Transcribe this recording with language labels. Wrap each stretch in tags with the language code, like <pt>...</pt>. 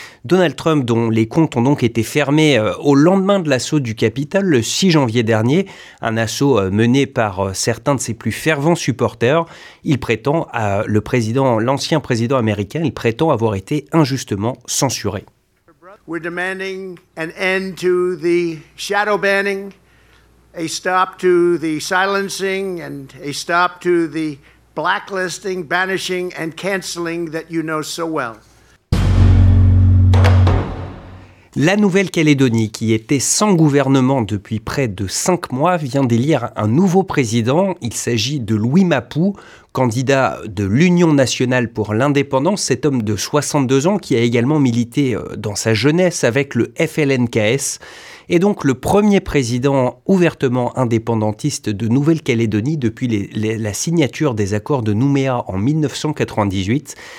<fr>Donald Trump, dont les comptes ont donc été fermés au lendemain de l'assaut du Capitole, le 6 janvier dernier, un assaut mené par certains de ses plus fervents supporters, l'ancien président américain prétend avoir été injustement censuré.</fr> <en>We're demanding an end to the shadow banning. A stop to the silencing and a stop to the blacklisting, banishing and canceling that you know so well.</en> <fr>La Nouvelle-Calédonie, qui était sans gouvernement depuis près de 5 mois, vient d'élire un nouveau président. Il s'agit de Louis Mapou, candidat de l'Union nationale pour l'indépendance. Cet homme de 62 ans, qui a également milité dans sa jeunesse avec le FLNKS, est donc le premier président ouvertement indépendantiste de Nouvelle-Calédonie depuis la signature des accords de Nouméa en 1998.</fr>